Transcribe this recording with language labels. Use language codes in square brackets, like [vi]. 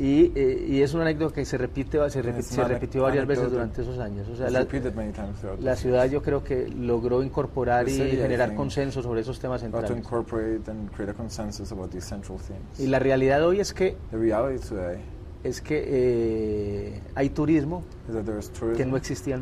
[es] Y es una anécdota que se repitió varias veces durante esos años. O sea, la ciudad yo creo que logró incorporar y generar consenso sobre esos temas centrales. [en] To incorporate and create a consensus about these central themes. [es] Y la realidad hoy es que hay turismo que no existía en